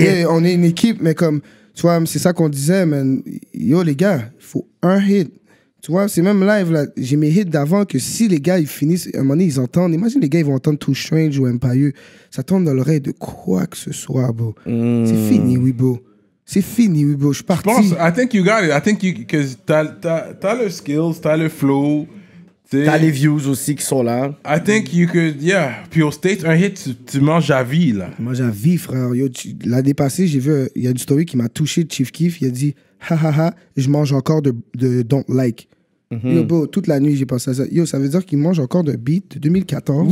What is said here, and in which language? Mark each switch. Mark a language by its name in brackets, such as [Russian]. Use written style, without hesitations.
[French] Mais on est une équipe, mais comme tu vois, c'est ça qu'on disait, man. Yo, les gars, il faut un hit. Tu vois, c'est même live là. J'ai mes hits d'avant que si les gars ils finissent, à un moment donné ils entendent. Imagine les gars ils vont entendre Too Strange ou Empire. Ça tombe dans l'oreille de quoi que ce soit, bro. C'est fini, Weebo. Je suis parti. Je pense, [English] I think you got it. I think [French] t'as le skills, t'as le flow. T'as les views aussi qui sont là. [English] I think you could, yeah. [French] Puis au States, un hit, tu manges à vie là. Tu manges à vie, frère. Yo, l'année passée, j'ai vu, il y a une story qui m'a touché de Chief Keef. Il a dit. Ha, je mange encore de Don't Like. Mm-hmm. Yo, bro, toute la nuit, j'ai pensé à ça. Yo, ça veut dire qu'il mange encore de beat de 2014.